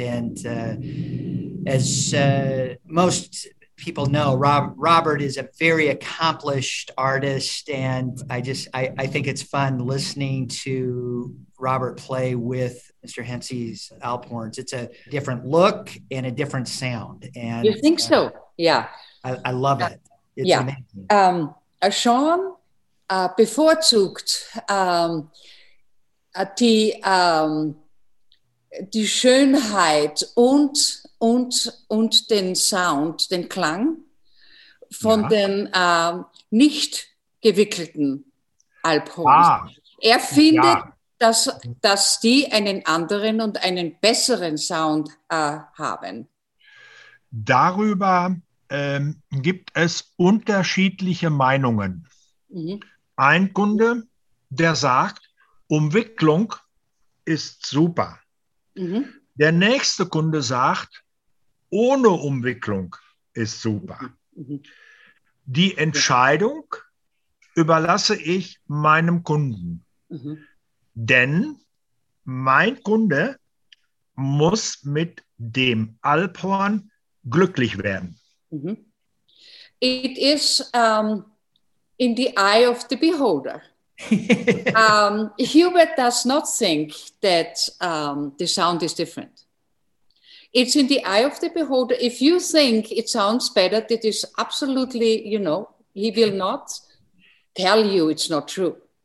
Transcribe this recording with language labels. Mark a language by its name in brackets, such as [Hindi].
[English] And most people know, Robert is a very accomplished artist. And I think it's fun listening to Robert play with Mr. Hensey's Alphorns. It's a different look and a different sound. And you think so? Yeah. I love it. It's amazing. [German] Sean bevorzugt die Schönheit und den Sound, den Klang von den nicht gewickelten Alphorns. Er findet, dass die einen anderen und einen besseren Sound haben. Darüber gibt es unterschiedliche Meinungen. Mhm. Ein Kunde, der sagt, Umwicklung ist super. Mhm. Der nächste Kunde sagt, ohne Umwicklung ist super. Mhm. Die Entscheidung überlasse ich meinem Kunden. Mhm. Denn mein Kunde muss mit dem Alphorn glücklich werden. Mm-hmm. [English] It is in the eye of the beholder. Hubert does not think that the sound is different. It's in the eye of the beholder. If you think it sounds better, that is absolutely, you know, he will not tell you it's not true.